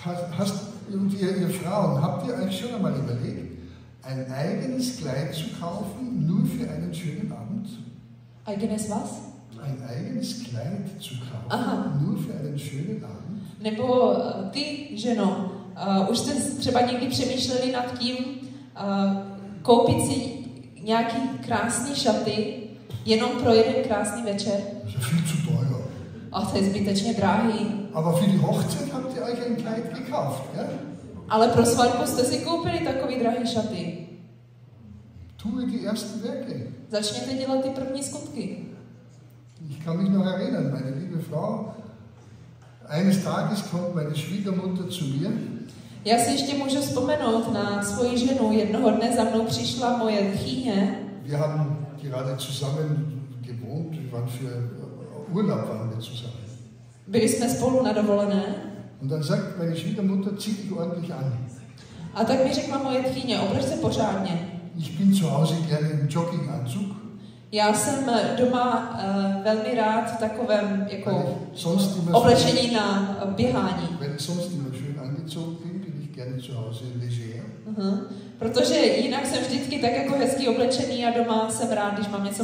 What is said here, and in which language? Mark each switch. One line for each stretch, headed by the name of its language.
German: Hast und ihr Frauen, habt ihr euch schon einmal überlegt, ein eigenes Kleid zu kaufen, nur für einen schönen Abend? Eigenes was? Ein eigenes Kleid zu kaufen, aha, nur für einen schönen Abend?
Czech: Nebo ty, ženo, už jste třeba někdy přemýšleli nad tím, koupit si nějaký krásný šaty, jenom pro jeden krásný večer?
German: Das ist viel zu teuer.
Czech: Ach, to je zbytečně drahý.
German: Aber für die Hochzeit habt ihr euch ein Kleid gekauft, ja?
Czech: Ale pro svatbu jste si koupili takový drahý šaty.
German: Tue die ersten Werke.
Czech: Začněte dělat ty první skutky.
German: Ich kann mich noch erinnern, meine liebe Frau, eines Tages kommt meine Schwiegermutter zu mir.
Czech: Já si ještě můžu vzpomenout na svoji ženu. Jednoho dne za mnou přišla moje tchyně.
German: Wir haben gerade zusammen gewohnt, wir waren für Urlaub waren wir zusammen.
Czech: Byli jsme spolu na dovolené.
German: Und dann sagt meine Schwiegermutter, zieh dich ordentlich an.
Czech: A tak mi řekla moje tchýně, obleč se pořádně.
German: Ich bin zu Hause gerne im Jogginganzug.
Czech: Já jsem doma velmi rád v takovém jako oblečení na běhání.
German: Wenn ich sonst immer schön angezogen bin, bin ich gerne zu Hause leger.
Czech: Protože jinak jsem vždycky tak jako hezky oblečený a doma jsem rád, když mám něco